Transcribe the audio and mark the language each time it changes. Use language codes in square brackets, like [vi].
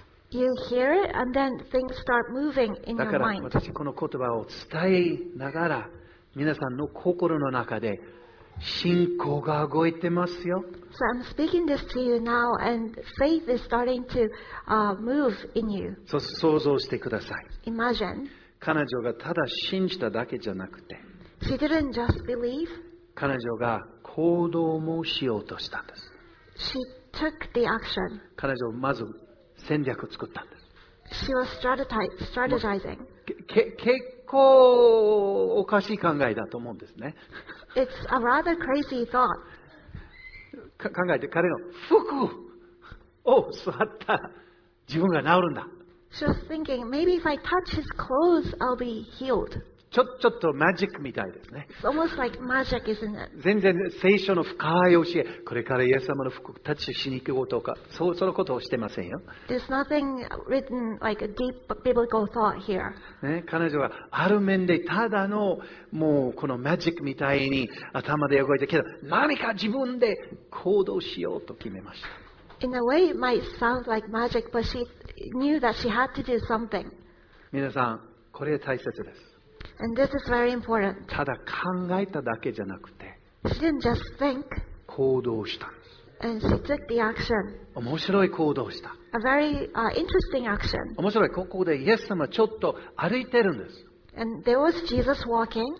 [en] You hear it and then things start moving in your mind. [ja] だから私この言葉を伝えながら皆さんの心の中で信仰が動いてますよ。 [en] So I'm speaking this to you now, and faith is starting to move in you. [ja] そう想像してください。 [en] Imagine. [ja] 彼女がただ信じただけじゃなくて、 [en] She didn't just believe. [ja] 彼女が行動もしようとしたんです。 [en] She took the action. [ja] 彼女まず戦略を作ったんです。 [en] She was strategizing. [ja] 結構おかしい考えだと思うんですね。 [en] It's a rather crazy thought. [ja] 考えて彼の服を触った自分が治るんだ。 [en] She was thinking, maybe if I touch his clothes, I'll be healed. [ja] ちょっとマジックみたいですね。 [en] It's almost like magic, isn't it? [ja] 全然聖書の深い教え、これからイエス様の服をタッチしに行こうとか、そのことをしてませんよ。 [en] There's nothing written like a deep biblical thought here. [ja] ね、彼女はある面でただのもうこのマジックみたいに頭で動いてけど、何か自分で行動しようと決めました。 [en] In a way, it might sound like magic, but she knew that she had to do something. [ja] 皆さん、これ大切です。 [en] And this is very important. [ja] ただ考えただけじゃなくて、 [en] she didn't just think. [ja] 行動したんです。 [en] And she took the action. [ja] 面白い行動した。 [en] A very interesting action. [ja] 面白い。ここでイエス様ちょっと歩いてるんです。 [en] And there was Jesus walking.